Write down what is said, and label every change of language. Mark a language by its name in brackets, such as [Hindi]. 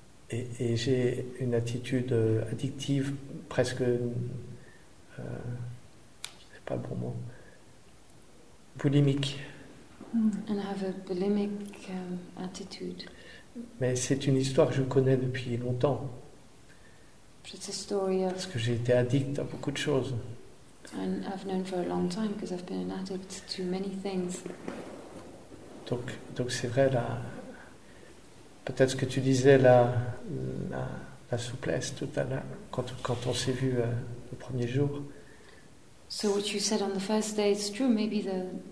[French] Et j'ai une attitude addictive, presque, c'est pas le bon mot, boulimique. [English] And have a bulimic attitude. [French] Mais c'est une histoire que je connais depuis longtemps. [English] It's a story of... [French] Parce que j'ai été addict à beaucoup de choses. [English] And I've known for a long time because I've been an addict to many things. [French] Donc c'est vrai, peut-être que tu disais la souplesse tout à l'heure, quand on s'est vu le premier jour. [English] So what you said on the first day, it's true, maybe the...